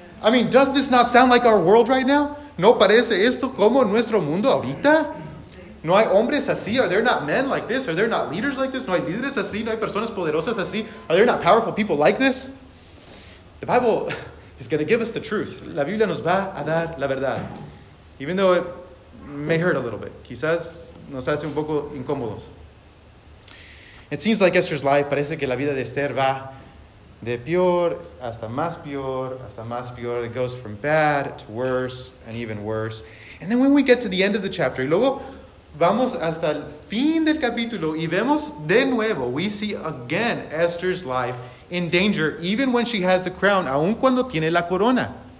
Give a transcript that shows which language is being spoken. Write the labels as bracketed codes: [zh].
[en] I mean, does this not sound like our world right now? [es] ¿No parece esto como nuestro mundo ahorita? ¿No hay hombres así? [en] Are there not men like this? Are there not leaders like this? [es] ¿No hay líderes así? ¿No hay personas poderosas así? [en] Are there not powerful people like this? The Bible is going to give us the truth. [es] La Biblia nos va a dar la verdad. [en] Even though it may hurt a little bit. [es] Quizás nos hace un poco incómodos. [en] It seems like Esther's life, [es] parece que la vida de Esther va de peor hasta más peor, hasta más peor. [en] It goes from bad to worse and even worse. And then when we get to the end of the chapter, [es] y luego vamos hasta el fin del capítulo y vemos de nuevo, [en] we see again Esther's life in danger, even when she has the crown, [es] aun cuando tiene la corona.